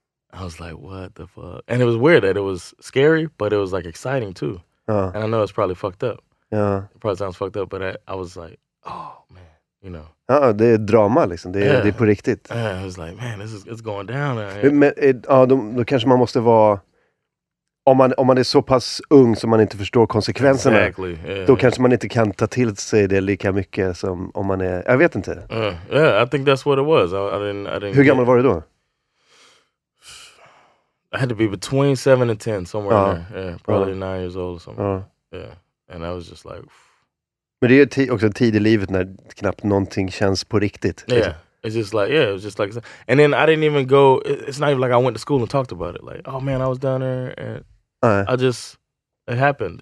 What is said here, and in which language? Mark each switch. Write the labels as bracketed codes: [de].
[en] I was like, what the fuck? And it was weird that it was scary, but it was like exciting too. And I know it's probably fucked up. Yeah. It probably sounds fucked up, but I was like, oh man, you know. [sv] Det är drama liksom. Det är på riktigt. [en] I was like, man, this is, it's going down. [sv] Men då kanske man måste vara om man är så pass ung som man inte förstår konsekvenserna, [en] exactly. Yeah. [sv] Då kanske man inte kan ta till sig det lika mycket som om man är, jag vet inte. [en] Yeah, I think that's what it was. I didn't [sv] Hur gammal var du då? [en] I had to be between 7 and 10 somewhere in there. Yeah, probably 9 years old or something. Yeah. And I was just like, [sv] men det är också en tid i livet när knappt någonting känns på riktigt. Liksom. Yeah. [en] It's just like, yeah, it was just like, and then I didn't even go, it's not even like I went to school and talked about it. Like, oh man, I was down there, and I just, it happened.